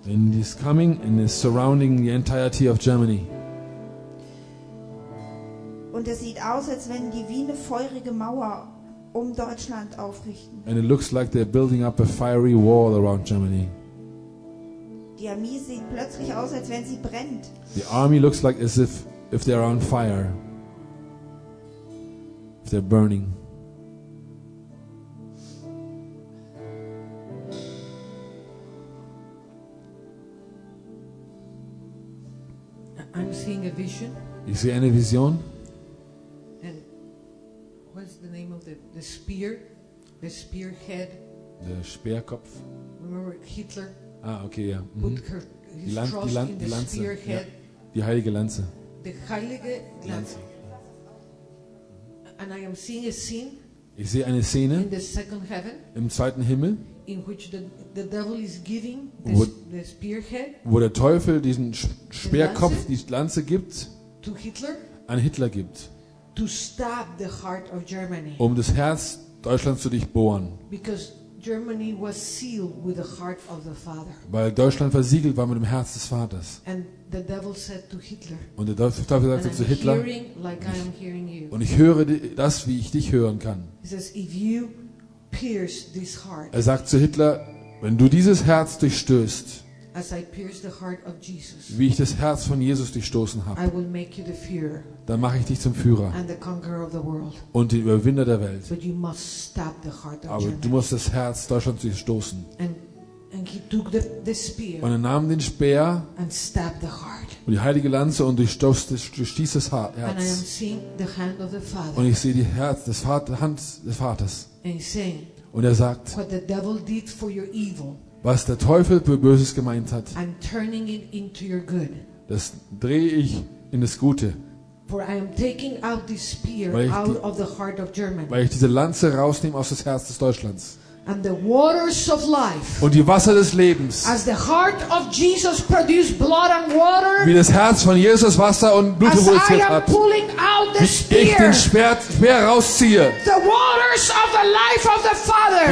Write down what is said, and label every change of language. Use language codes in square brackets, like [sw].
[en] And is coming and is surrounding the entirety of Germany. [de] Und es sieht aus, als wenn die wie eine feurige Mauer um Deutschland aufrichten. [en] And it looks like they're building up a fiery wall around Germany. [de] Die Armee sieht plötzlich aus, als wenn sie brennt. [en] The army looks like as if they're on fire. If they're burning. I'm seeing a vision. [de] Ich sehe eine Vision. [en] And what's the name of the spear? The spearhead. [de] Der Speerkopf. [en] Remember Hitler? [de] Ah, okay, ja. Mm-hmm. [en] Put her, his Lan- trust Lan- in the Lanze. Spearhead. [de] Ja. Die heilige Lanze. [en] The heilige Lanze. And I am seeing a scene. [de] Ich sehe eine Szene. [en] In the second heaven. [de] Im zweiten Himmel. [en] In which the devil is giving the spearhead. [de] Wo der Teufel diesen Speerkopf, die Lanze gibt. [en] To Hitler. [de] An Hitler gibt. [en] To stab the heart of Germany. [de] Um das Herz Deutschlands zu durchbohren. [en] Because Germany was sealed with the heart of the Father. [de] Weil Deutschland versiegelt war mit dem Herz des Vaters. [en] And the devil said to Hitler. [de] Und der Teufel sagte zu Hitler. [en] Hearing like I am hearing you. [de] Und ich höre das, wie ich dich hören kann. [en] He says, if you pierce this heart. [de] Er sagt zu Hitler, wenn du dieses Herz durchstößt. [en] As I pierce the heart of Jesus. [de] Wie ich das Herz von Jesus durchstoßen habe. [en] I will make you the Führer. [de] Dann mache ich dich zum Führer. [en] And the conqueror of the world. [de] Und den Überwinder der Welt. [en] But you must stab the heart of [de] Aber [en] Germany. [de] Du musst das Herz Deutschlands durchstoßen. [en] And he took the spear. [de] Und er nahm den Speer. [en] And stabbed the heart. [de] Und die heilige Lanze und durchstieß das Herz. [en] And I am seeing the hand of the Father. [de] Und ich sehe die Herz, das Vater, Hand des Vaters. [en] And he's saying, [de] und er sagt, [en] what the devil did for your evil. [de] Was der Teufel für Böses gemeint hat, [en] I'm turning it into your good. [de] Das drehe ich in das Gute. [en] For I am taking out this spear out of the heart of Germany. [de] Weil ich diese Lanze rausnehme aus dem Herz des Deutschlands. [en] And the waters of life. [de] Und die Wasser des Lebens. [en] As the heart of Jesus produced blood and water. [de] Wie das Herz von Jesus Wasser und Blut produziert hat. Wie ich den Speer rausziehe. [en] The waters of the life of the Father.